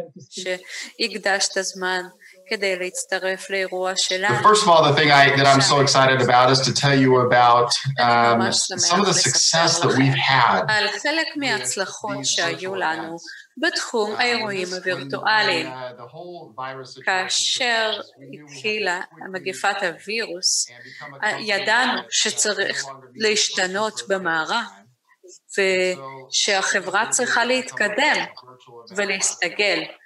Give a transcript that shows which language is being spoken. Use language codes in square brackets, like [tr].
[he] שהקדשת הזמן כדי להצטרף לאירוע שלנו. [en] First of all, the thing that I'm so excited about is to tell you about some of the success that we've had. [he] על חלק מההצלחות שהיו לנו בתחום האירועים הווירטואליים. כאשר התחילה מגפת הווירוס, ידענו שצריך להשתנות במערה, ושהחברה צריכה להתקדם ולהסתגל.